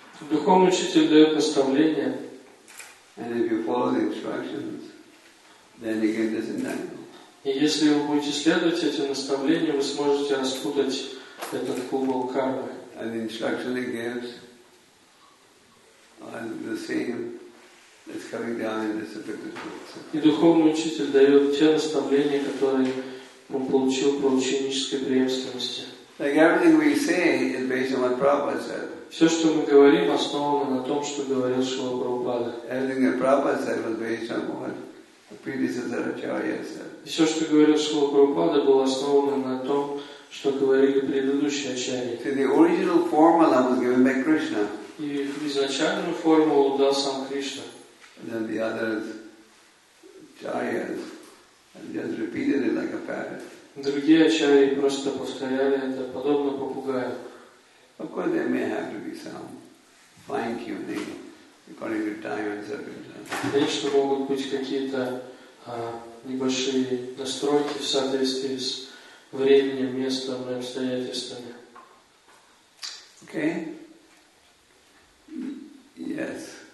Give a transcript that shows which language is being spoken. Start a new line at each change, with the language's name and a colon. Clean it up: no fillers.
Russian: Духовный учитель дает наставление.
English: And if you follow the instructions, then you can disentangle.
Russian: И если вы будете следовать этим наставлениям, вы сможете распутать этот клубок кармы.
English: And the instructions it gives are the same as coming down in the Sutta.
Russian: И духовный учитель дает те наставления, которые он получил по ученической преемственности.
English: Like everything we say is based on what Prabhupada said.
Russian: Все, что мы говорим, основано на том, что говорил Шрила Прабхупада.
English: Everything that Prabhupada said was based on what the predecessor Acharya said.
Russian: Все, что говорил Шрила Прабхупада, было основано на том, что говорили предыдущие Ачарьи.
English: So the original formula was given by Krishna.
Russian: И изначальную формулу дал сам Кришна.
English: And then the other Acharyas. And just repeated it like a parrot.
Russian: Другие ачарьи просто повторяли это, подобно попугаю.
English: Of course, there may have to be some fine-tuning according to time and circumstances.
Russian: Конечно, могут быть какие-то небольшие настройки в соответствии с временем, местом и обстоятельствами.
English: Okay. Yes.